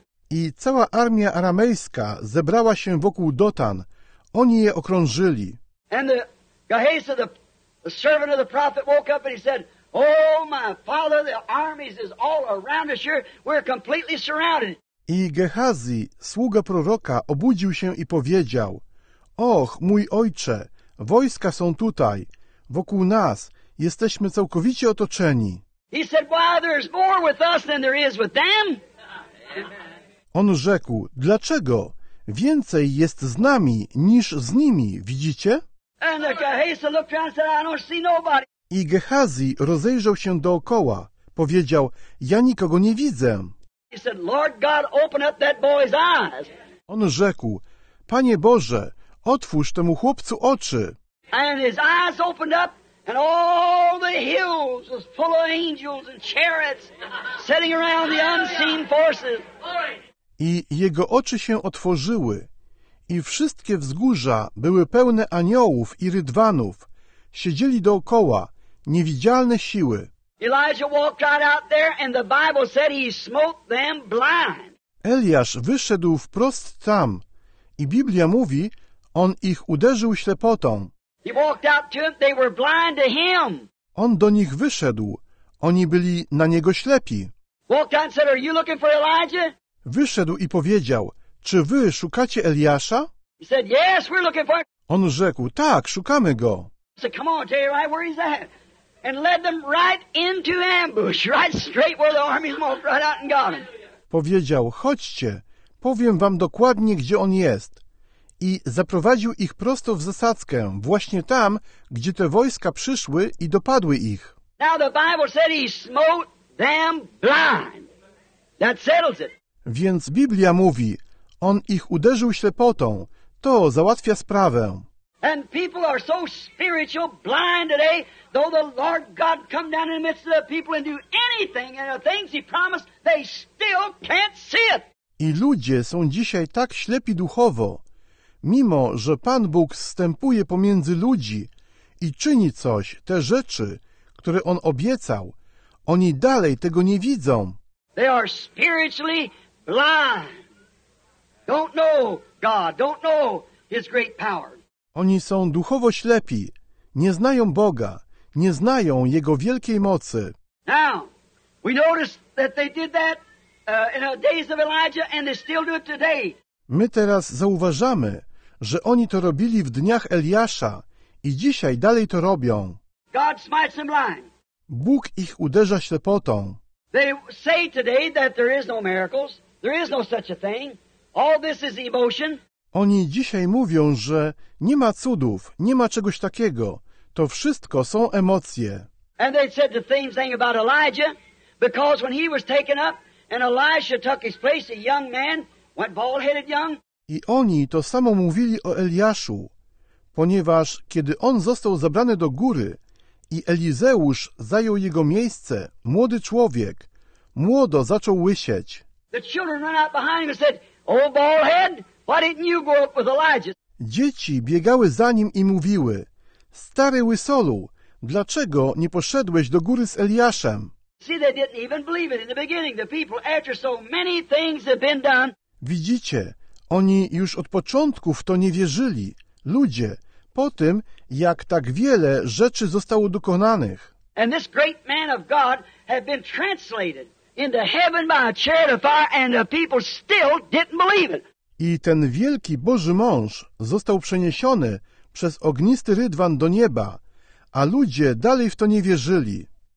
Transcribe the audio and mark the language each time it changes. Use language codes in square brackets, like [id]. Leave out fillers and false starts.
[pl] I cała armia aramejska zebrała się wokół Dotan. Oni je okrążyli. [en] And the Gehazi, the servant of the prophet, woke up and he said, oh, my father, the armies is all around us here. We're completely surrounded. [pl] I Gehazi, sługa proroka, obudził się i powiedział, och, mój ojcze, wojska są tutaj. Wokół nas jesteśmy całkowicie otoczeni. [en] He said, why, there's more with us than there is with them. [pl] On rzekł, dlaczego? Więcej jest z nami niż z nimi, widzicie? [en] And the Gehazi looked around and said, I don't see nobody. [pl] I Gehazi rozejrzał się dookoła. Powiedział, ja nikogo nie widzę. [en] He said, Lord God, open up that boy's eyes. [pl] On rzekł, Panie Boże, otwórz temu chłopcu oczy. [en] And his eyes opened up, and all the hills was full of angels and chariots sitting around the unseen forces. [pl] I jego oczy się otworzyły, i wszystkie wzgórza były pełne aniołów i rydwanów. Siedzieli dookoła niewidzialne siły. [en] Elijah walked right out there, and the Bible said he smote them blind. [pl] Eliasz wyszedł wprost tam, i Biblia mówi, on ich uderzył ślepotą. [en] He walked out to them, they were blind to him. [pl] On do nich wyszedł. Oni byli na niego ślepi. [en] Walked out and said, are you looking for Elijah? [pl] Wyszedł i powiedział, czy wy szukacie Eliasza? [en] He said, yes, we're looking for him. [pl] On rzekł, tak, szukamy go. [en] So come on, tell you right where he's at. And led them right into ambush, right straight where the army's marched right out and got him. [pl] Powiedział, chodźcie, powiem wam dokładnie, gdzie on jest. I zaprowadził ich prosto w zasadzkę, właśnie tam, gdzie te wojska przyszły i dopadły ich. [en] Now the Bible said he smote them blind. That settles it. [pl] Więc Biblia mówi, on ich uderzył ślepotą. To załatwia sprawę. [en] And people are so spiritual blind today, though the Lord God come down in the midst of the people and do anything and the things He promised, they still can't see it. [pl] I ludzie są dzisiaj tak ślepi duchowo, mimo że Pan Bóg wstępuje pomiędzy ludzi i czyni coś, te rzeczy, które On obiecał, oni dalej tego nie widzą. [en] They are spiritually blind. Don't know God, don't know His great power. [pl] Oni są duchowo ślepi, nie znają Boga, nie znają Jego wielkiej mocy. [en] Now, we notice that they did that in the days of Elijah and they still do it today. [pl] My teraz zauważamy, że oni to robili w dniach Eliasza i dzisiaj dalej to robią. [en] God smites them blind. [pl] Bóg ich uderza ślepotą. [en] They say today that there is no miracles, there is no such a thing. All this is emotion. [pl] Oni dzisiaj mówią, że nie ma cudów, nie ma czegoś takiego. To wszystko są emocje. [en] And they said the same thing about Elijah, because when he was taken up and Elisha took his place, a young man went bald-headed young. [pl] I oni to samo mówili o Eliaszu, ponieważ kiedy on został zabrany do góry i Elizeusz zajął jego miejsce, młody człowiek, młodo zaczął łysieć. [en] The children ran out behind him and said, "Oh, bald head! Why didn't you go up with Elijah?" [pl] Dzieci biegały za nim i mówiły: "Stary łysolu, dlaczego nie poszedłeś do góry z Eliaszem?" [en] See, they didn't even believe it in the beginning. The people, after so many things have been done. [pl] Widzicie, oni już od początku w to nie wierzyli. Ludzie, po tym, jak tak wiele rzeczy zostało dokonanych. [en] And this great man of God had been translated into heaven by a chariot of fire, and the people still didn't believe it. [pl] I ten wielki Boży mąż został przeniesiony przez ognisty rydwan do nieba, a ludzie dalej w to nie wierzyli.